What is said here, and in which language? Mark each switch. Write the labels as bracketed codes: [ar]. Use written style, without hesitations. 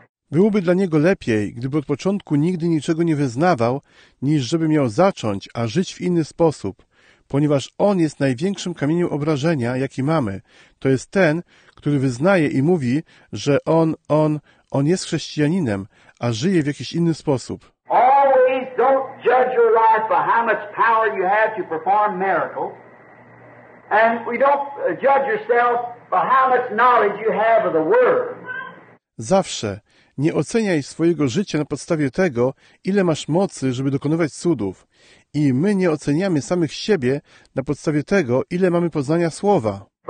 [pl] Byłoby dla niego lepiej, gdyby od początku nigdy niczego nie wyznawał, niż żeby miał zacząć, a żyć w inny sposób, ponieważ on jest największym kamieniem obrażenia, jaki mamy. To jest ten, który wyznaje i mówi, że on jest chrześcijaninem, a żyje w jakiś inny sposób. [en] Always don't judge your life by how much power you have to perform miracles. And we don't judge yourself by how much knowledge you have of the word. [pl] Zawsze. Nie oceniaj swojego życia na podstawie tego, ile masz mocy, żeby dokonywać cudów. I my nie oceniamy samych siebie na podstawie tego, ile mamy poznania słowa.